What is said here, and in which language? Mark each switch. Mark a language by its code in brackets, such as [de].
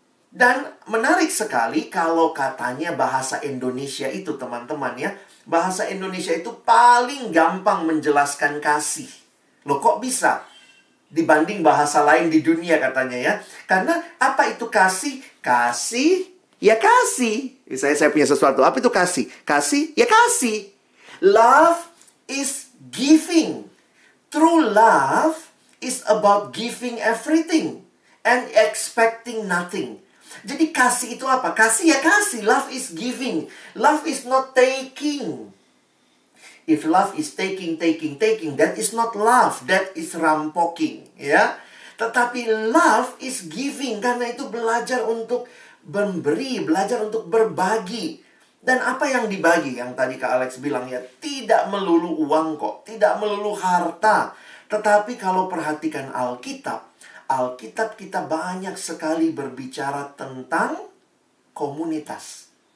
[id] Dan menarik sekali kalau katanya bahasa Indonesia itu, teman-teman ya, bahasa Indonesia itu paling gampang menjelaskan kasih. Loh kok bisa? Dibanding bahasa lain di dunia katanya ya. Karena apa itu kasih? Kasih, ya kasih. Saya punya sesuatu, apa itu kasih? Kasih, ya kasih. [en] Love is giving. True love is about giving everything and expecting nothing. [id] Jadi kasih itu apa? Kasih ya kasih. [en] Love is giving. Love is not taking. If love is taking, taking, taking, that is not love. That is rampoking. [id] Ya. Tetapi [en] love is giving. [id] Karena itu belajar untuk memberi, belajar untuk berbagi. Dan apa yang dibagi? Yang tadi Kak Alex bilang ya, tidak melulu uang kok. Tidak melulu harta. Tetapi kalau perhatikan Alkitab, Alkitab kita banyak sekali berbicara tentang komunitas.